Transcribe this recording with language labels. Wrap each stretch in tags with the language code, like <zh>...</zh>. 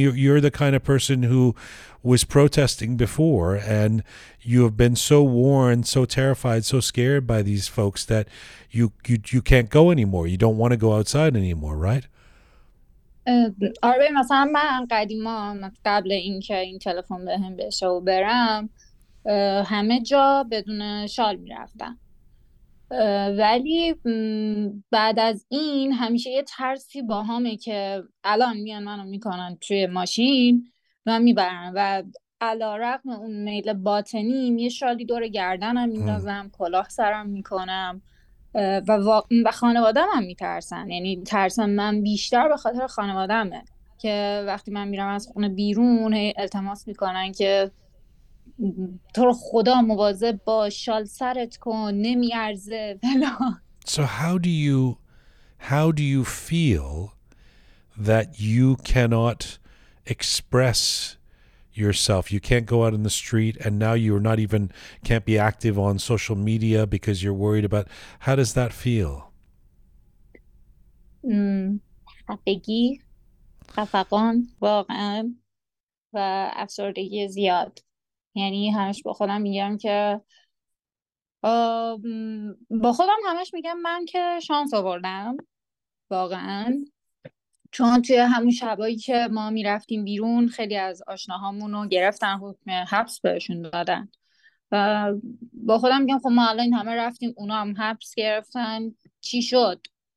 <en>You're the kind of person who was protesting before and you have been so worn, so terrified, so scared by these folks that you can't go anymore. You don't want to go outside anymore, right?</en> <fa>آره مثلا من قدیما قبل اینکه این تلفن بهم بشه و برم همه جا بدون شال میرفتم، ولی بعد از این همیشه یه ترسی با همه که الان میان منو میکنن توی ماشین و میبرن، و علارغم اون میل باطنیم یه شالی دور گردنم میندازم، کلاه سرم میکنم، و خانوادم هم میترسن. یعنی ترسم من بیشتر به خاطر خانوادمه که وقتی من میرم از خونه بیرون التماس میکنن که تو رو خدا مواظب باش، شال سرت کن، نمیارزه فلان.</fa> <en>So how do you feel that you cannot express yourself, you can't go out in the street, and now you're not even can't be active on social media because you're worried about, how does that feel?</en> <fa>خفگی، خفقان واقعا و افسردگی زیاد. یعنی همش با خودم میگم که من که شانس آوردم واقعا، چون توی همون شبایی که ما میرفتیم بیرون خیلی از آشناهامون رو گرفتن، حکم حبس بهشون دادن، و با خودم میگم خب ما الان این همه رفتیم، اونا هم حبس گرفتن، چی شد،</fa>